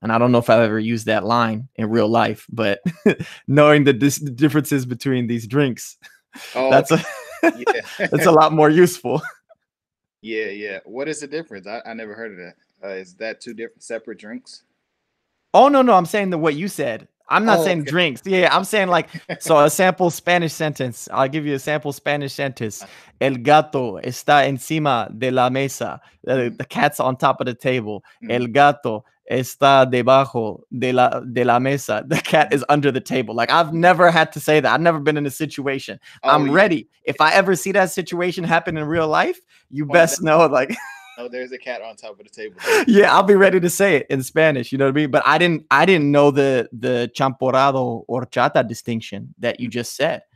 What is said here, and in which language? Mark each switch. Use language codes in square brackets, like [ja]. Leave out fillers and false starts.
[en] And I don't know if I've ever used that line in real life, but knowing the differences between these drinks, that's a lot more useful. Yeah. What is the difference? I never heard of that. Is that two different separate drinks? Oh, no, no. I'm saying what you said. I'm not saying drinks. Yeah, I'm saying like, so a sample Spanish sentence. I'll give you a sample Spanish sentence. [es] El gato está encima de la mesa. [en] The cat's on top of the table. Mm-hmm. [es] El gato está debajo de la mesa. [en] The cat is under the table. Like, I've never had to say that. I've never been in a situation. I'm ready. If I ever see that situation happen in real life, you best know. Like, oh, there's a cat on top of the table. Yeah, I'll be ready to say it in Spanish. You know what I mean? But I didn't know the champorado horchata distinction that you just said.